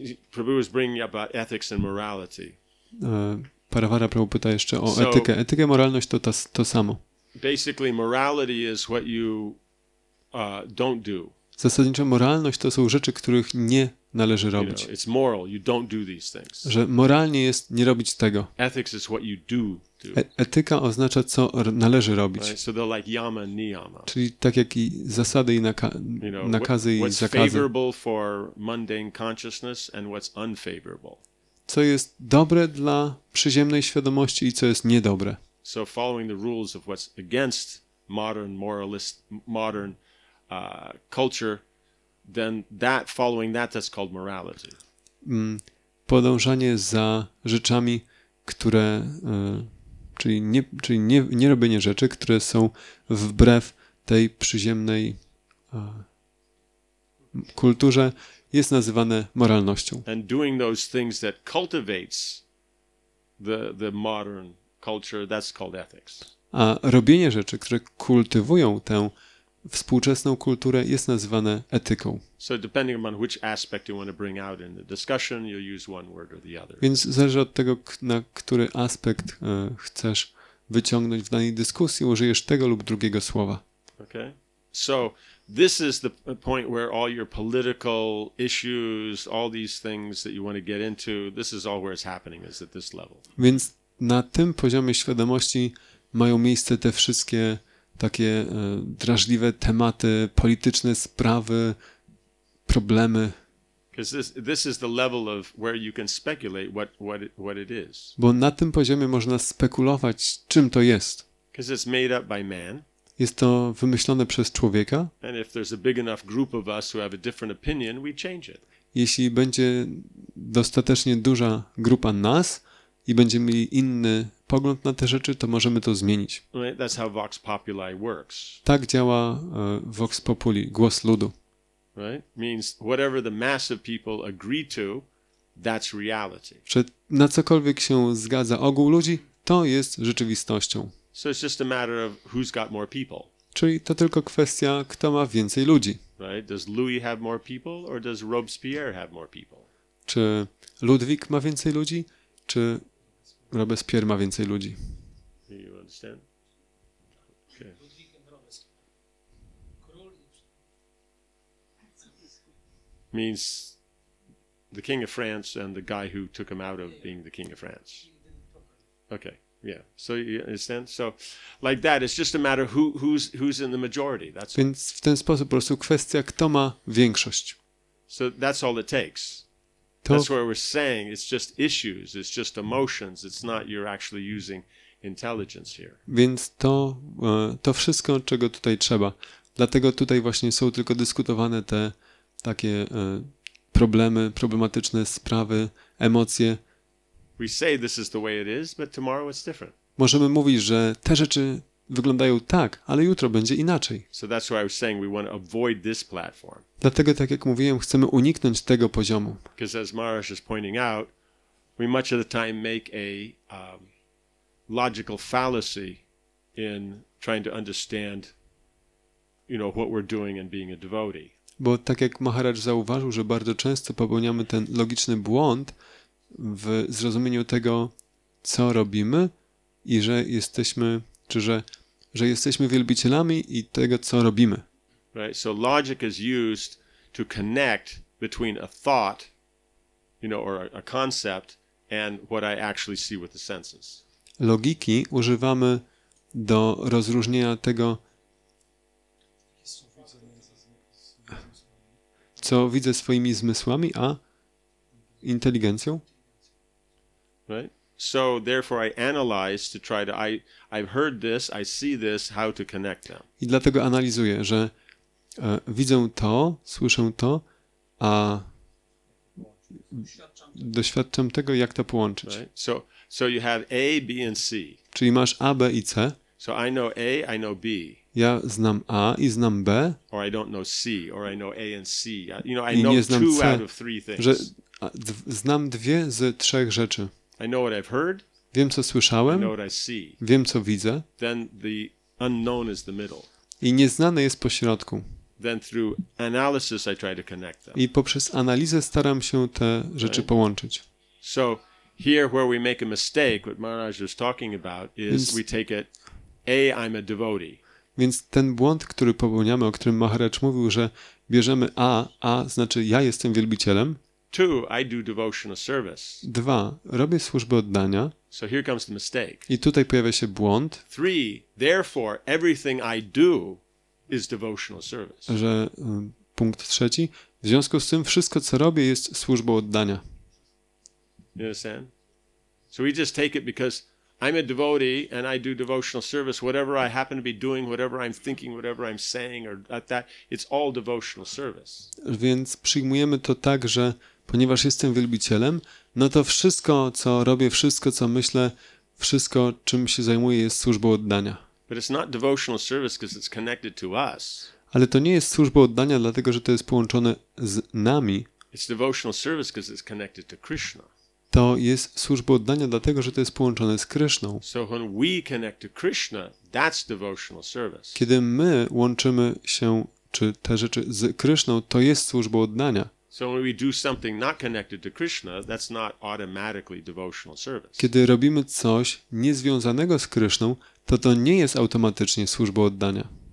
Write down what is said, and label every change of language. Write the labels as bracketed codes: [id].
[en] Prabhu was bringing up about ethics and morality. [pl] Parvara Prabhu pyta jeszcze o etykę. Etykę, moralność to to samo. [en] Basically, morality is what you don't do. [pl] Zasadniczo moralność to są rzeczy, których nie należy robić. [en] You know, it's moral. You don't do these things. [pl] Że moralnie jest nie robić tego. [en] Ethics is what you do. [pl] Etyka oznacza, co należy robić. [en] Right? So they're like yama and niyama. [pl] Czyli tak jak i zasady i nakazy i zakazy. [en] What's favorable for mundane consciousness and what's unfavorable. [pl] Co jest dobre dla przyziemnej świadomości i co jest niedobre. [en] So following the rules of what's against modern moralist modern culture, then that following that that's called morality. [pl] Podążanie za rzeczami, które czyli nie robienie rzeczy, które są wbrew tej przyziemnej kulturze, jest nazywane moralnością. [en] And doing those things that cultivates the modern culture, that's called ethics. [pl] A robienie rzeczy, które kultywują tę współczesną kulturę, jest nazywane etyką. [en] So depending on which aspect you want to bring out in the discussion, you'll use one word or the other. [pl] Więc zależy od tego, na który aspekt chcesz wyciągnąć w danej dyskusji, użyjesz tego lub drugiego słowa. [en] Okay. So this is the point where all your political issues, all these things that you want to get into, this is all where it's happening is at this level. [pl] Więc na tym poziomie świadomości mają miejsce te wszystkie takie drażliwe tematy, polityczne sprawy, problemy. [en] This is the level of where you can speculate what it is. [pl] Bo na tym poziomie można spekulować, czym to jest. [en] Because it's made up by man. [pl] Jest to wymyślone przez człowieka. [en] And if there's a big enough group of us who have a different opinion, we change it. [pl] Jeśli będzie dostatecznie duża grupa nas i będziemy mieli inny pogląd na te rzeczy, to możemy to zmienić. [en] Right, that's how Vox Populi works. [pl] Tak działa Vox Populi, głos ludu. [en] Right? Means whatever the mass of people agree to, that's reality. [pl] Czy na cokolwiek się zgadza ogół ludzi, to jest rzeczywistością. [en] So it's just a matter of who's got more people. [pl] Czyli to tylko kwestia, kto ma więcej ludzi. [en] Right? Does Louis have more people or does Robespierre have more people? [pl] Czy Ludwik ma więcej ludzi, czy Robespierre ma więcej ludzi? [en] You understand? Okay. Means the king of France and the guy who took him out of being the king of France. Okay, yeah. So you understand? So like that, it's just a matter of who's in the majority. That's [pl] Więc w ten sposób po prostu kwestia, kto ma większość. [en] So that's all it takes. That's what we're saying. It's just issues. It's just emotions. It's not you're actually using intelligence here. [pl] Więc to wszystko, czego tutaj trzeba. Dlatego tutaj właśnie są tylko dyskutowane te takie problemy, problematyczne sprawy, emocje. [en] We say this is the way it is, but tomorrow it's different. [pl] Możemy mówić, że te rzeczy wyglądają tak, ale jutro będzie inaczej. [en] So that's why I was saying we want to avoid this platform. [pl] Dlatego, tak jak mówiłem, chcemy uniknąć tego poziomu. [en] Because as Maharaj is pointing out, we much of the time make a logical fallacy in trying to understand, you know, what we're doing and being a devotee. [pl] Bo tak jak Maharaj zauważył, że bardzo często popełniamy ten logiczny błąd w zrozumieniu tego, co robimy i że jesteśmy, czy że jesteśmy wielbicielami i tego, co robimy. [en] Right, so logic is used to connect between a thought, you know, or a concept and what I actually see with the senses. [pl] Logiki używamy do rozróżnienia tego, co widzę swoimi zmysłami, a inteligencją. [en] Right. So therefore I analyze to try to I've heard this, I see this, how to connect them. [pl] I dlatego analizuję, że widzę to, słyszę to, a doświadczam tego, jak to połączyć. [en] Right. So you have A, B and C. [pl] Czyli masz A, B i C. [en] So I know A, I know B. [pl] Ja znam A i znam B. [en] Or I don't know C, or I know A and C. You know, I know two out of three things. [pl] Że znam dwie z trzech rzeczy. [en] I know what I've heard. [pl] Wiem, co słyszałem. [en] I know what I see. [pl] Wiem, co widzę. [en] Then the unknown is the middle. [pl] I nieznane jest pośrodku. [en] Then through analysis I try to connect them. [pl] I poprzez analizę staram się te rzeczy połączyć. [en] So here where we make a mistake, what Maharaj is talking about is we take it A, I'm a devotee. [pl] Więc ten błąd, który popełniamy, o którym Maharaj mówił, że bierzemy A znaczy ja jestem wielbicielem. [en] Two, I do devotional service. [pl] Dwa, robię służbę oddania. [en] So here comes the mistake. [pl] I tutaj pojawia się błąd. [en] Three, therefore everything I do is devotional service. [pl] Że punkt trzeci, w związku z tym wszystko, co robię, jest służbą oddania. [en] You understand? So we just take it because I'm a devotee and I do devotional service, whatever I happen to be doing, whatever I'm thinking, whatever I'm saying or at that, it's all devotional service. [pl] Więc przyjmujemy to tak, że ponieważ jestem wielbicielem, no to wszystko, co robię, wszystko, co myślę, wszystko, czym się zajmuję, jest służbą oddania. [en] But it's not devotional service because it's connected to us. [pl] Ale to nie jest służba oddania, dlatego że to jest połączone z nami. [en] It's devotional service because it's connected to Krishna. [pl] To jest służba oddania, dlatego że to jest połączone z Krishną. [en] So when we connect to Krishna, that's devotional service. [pl] Kiedy my łączymy się, czy te rzeczy z Krishną, to jest służba oddania. [en] So when we do something not connected to Krishna, that's not automatically devotional service. [pl] Kiedy robimy coś niezwiązanego z Krishną, to nie jest automatycznie służba oddania.